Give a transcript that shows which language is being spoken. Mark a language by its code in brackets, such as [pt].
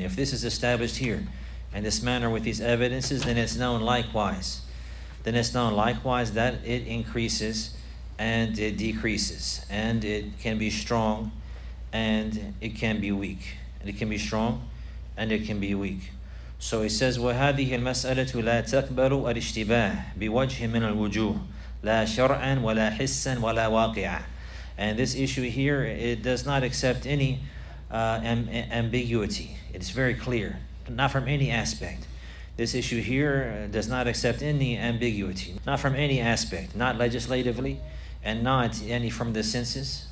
[en] If this is established here in this manner with these evidences, then it's known likewise. Then it's known likewise that it increases and it decreases. And it can be strong and it can be weak. And it can be strong and it can be weak. So he says, [ar] وَهَذِهِ الْمَسْأَلَةُ لَا تَكْبَرُ الْإِشْتِبَاهِ بِوَجْهِ مِنَ الْوُجُوهِ لَا شَرْعًا وَلَا حِسًّا وَلَا وَاقِعًا. [en] And this issue here, it does not accept any ambiguity. It's very clear, not from any aspect. This issue here does not accept any ambiguity, not from any aspect, not legislatively, and not any from the senses.